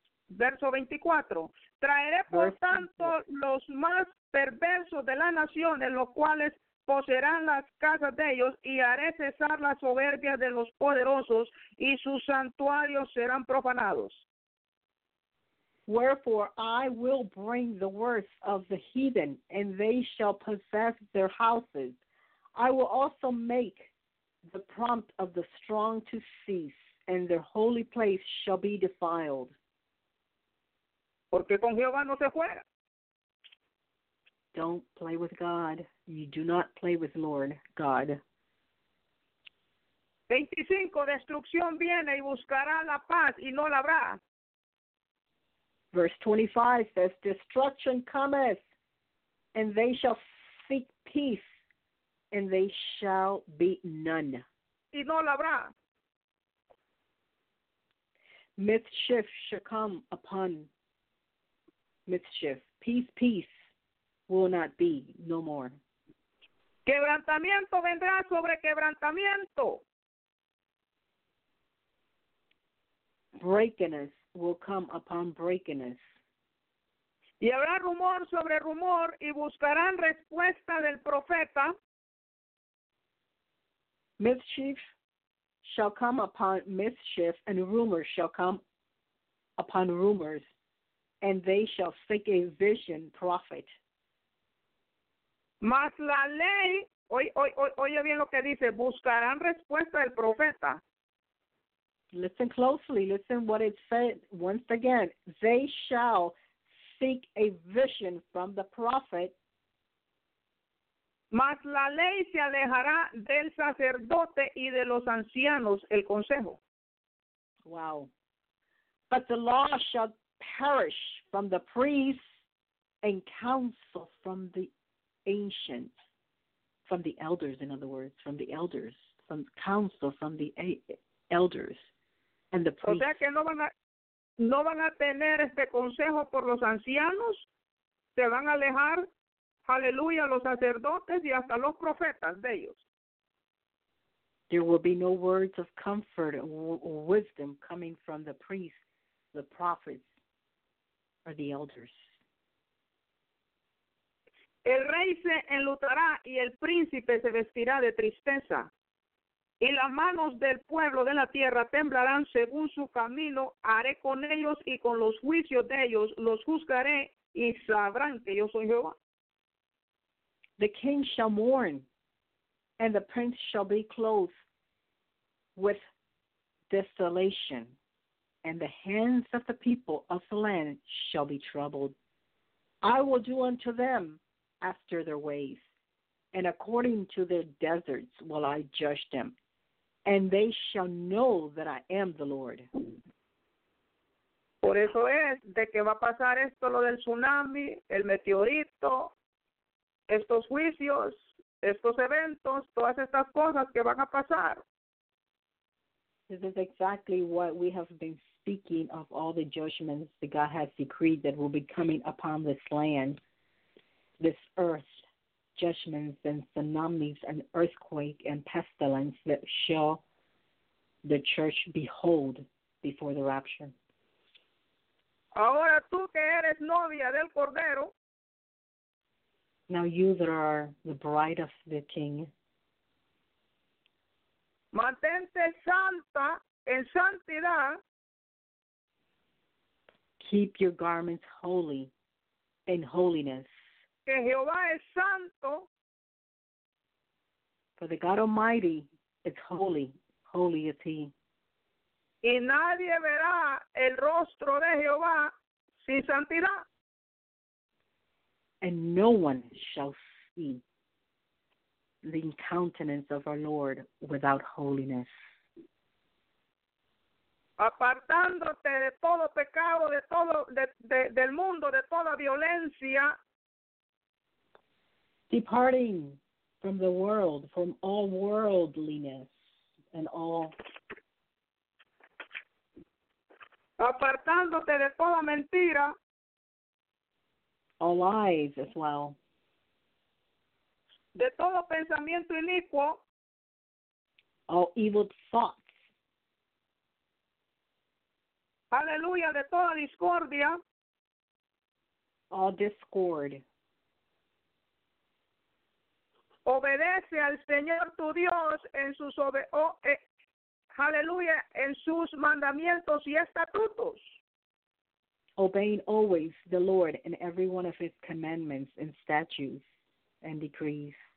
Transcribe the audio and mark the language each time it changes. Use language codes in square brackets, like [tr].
[es] Verso 24. Traeré, por tanto, los más perversos de las naciones, los cuales poseerán las casas de ellos, y haré cesar las soberbias de los poderosos, y sus santuarios serán profanados. [en] Wherefore, I will bring the worst of the heathen, and they shall possess their houses. I will also make the prompt of the strong to cease, and their holy place shall be defiled. [es] Porque con Jehová no se juega. [en] Don't play with God. You do not play with Lord God. 25. [es] Destrucción viene y buscará la paz y no la habrá. [en] Verse 25 says, destruction cometh, and they shall seek peace, and they shall be none. [es] Y no la habrá. [en] Mischief shall come upon mischief. Peace will not be no more. [es] Quebrantamiento vendrá sobre quebrantamiento. [en] Breakiness will come upon breakiness. [es] Y habrá rumor sobre rumor y buscarán respuesta del profeta. [en] Mischief shall come upon mischief and rumors shall come upon rumors. And they shall seek a vision prophet. [es] Mas la ley, oye bien lo que dice, buscarán respuesta del profeta. [en] Listen closely, listen what it said once again. They shall seek a vision from the prophet. [es] Mas la ley se alejará del sacerdote y de los ancianos, el consejo. [en] Wow. But the law shall perish from the priests and counsel from the ancients, from the elders, in other words, from the elders, from counsel from the elders and the priests. [es] O sea que no van a tener este consejo por los ancianos, se van a alejar, aleluya, los sacerdotes y hasta los profetas de ellos. [en] There will be no words of comfort or wisdom coming from the priests, the prophets, are the elders. [es] El rey se enlutará y el príncipe se vestirá de tristeza. Y las manos del pueblo de la tierra temblarán según su camino. Haré con ellos y con los juicios de ellos los juzgaré y sabrán que yo soy Jehová. [en] The king shall mourn and the prince shall be clothed with desolation. And the hands of the people of the land shall be troubled. I will do unto them after their ways, and according to their deserts will I judge them. And they shall know that I am the Lord. [es] Por eso es de que va a pasar esto, lo del tsunami, el meteorito, estos juicios, estos eventos, todas estas cosas que van a pasar. [en] This is exactly what we have been speaking of, all the judgments that God has decreed that will be coming upon this land, this earth, judgments and tsunamis and earthquake and pestilence that shall the church behold before the rapture. [es] Ahora tú que eres novia del Cordero, [en] Now you that are the bride of the King. [es] Mantente santa en santidad. [en] Keep your garments holy in holiness. [es] Que Jehová es santo. [en] For the God Almighty is holy. Holy is He. [es] Y nadie verá el rostro de Jehová sin santidad. [en] And no one shall see the countenance of our Lord without holiness. [es] Apartándote de todo pecado, de todo, del mundo, de toda violencia. [en] Departing from the world, from all worldliness and all. [es] Apartándote de toda mentira. [en] All lies as well. [es] De todo pensamiento inicuo. [en] All evil thoughts. [es] Aleluya, de toda discordia. [en] All discord. [es] Obedece al Señor tu Dios en sus aleluya, en sus mandamientos y estatutos. [en] Obeying always the Lord in every one of His commandments and statutes and decrees.